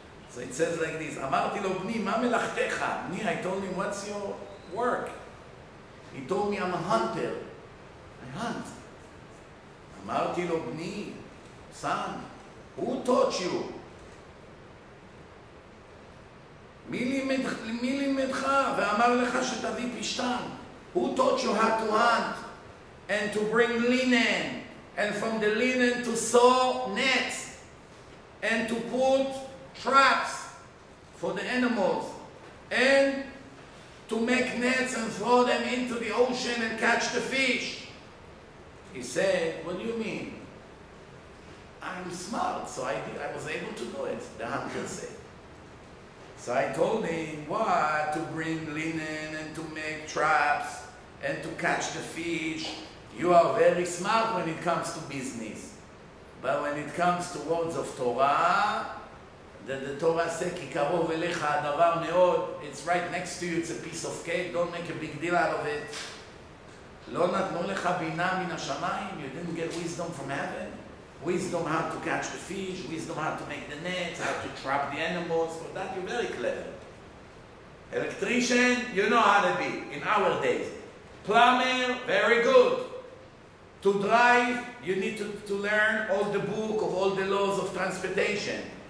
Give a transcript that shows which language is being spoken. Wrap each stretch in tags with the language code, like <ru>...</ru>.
<en>So it says like this,</en> <he>Amarti lo bni, ma melachtecha?</he> <en>Bni, I told him, what's your work? He told me, I'm a hunter. I hunt. Amarti lo bni, son, who taught you?</en> <he>מי לימדך ואמר לך שתביא פשטן?</he> <en>Who taught you how to hunt and to bring linen and from the linen to sew nets and to put traps for the animals and to make nets and throw them into the ocean and catch the fish? He said, what do you mean? I'm smart, so I was able to do it, the hunter said. So I told him, what? To bring linen and to make traps and to catch the fish. You are very smart when it comes to business. But when it comes to words of Torah, the Torah says,</en> <he>Ki karov elecha hadavar meod,</he> <en>it's right next to you, it's a piece of cake, don't make a big deal out of it.</en> <he>לא נתנו לך בינה מן השמיים?</he> <en>You didn't get wisdom from heaven? Wisdom how to catch the fish, wisdom how to make the nets, how to trap the animals. For that you're very clever. Electrician, you know how to be in our days. Plumber, very good. To drive, you need to learn all the book of all the laws of transportation.</en>